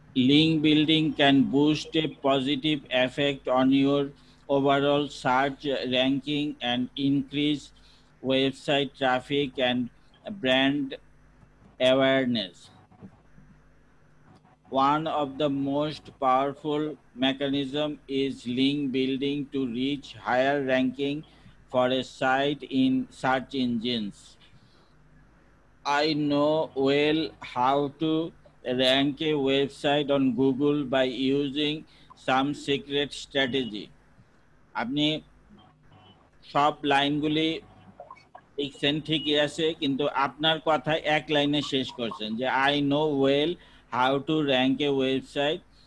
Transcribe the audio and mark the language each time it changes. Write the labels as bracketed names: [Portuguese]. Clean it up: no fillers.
[English] Link building can boost a positive effect on your overall search ranking and increase website traffic and brand awareness. One of the most powerful mechanism is link building to reach higher ranking for a site in search engines. I know well how to rank a website on Google by using some secret strategy. [Bangla] আপনি সব লাইনগুলি লিখছেন ঠিকই আছে, কিন্তু আপনার কথা এক লাইনে শেষ করছেন যে [English] I know well how to rank a website.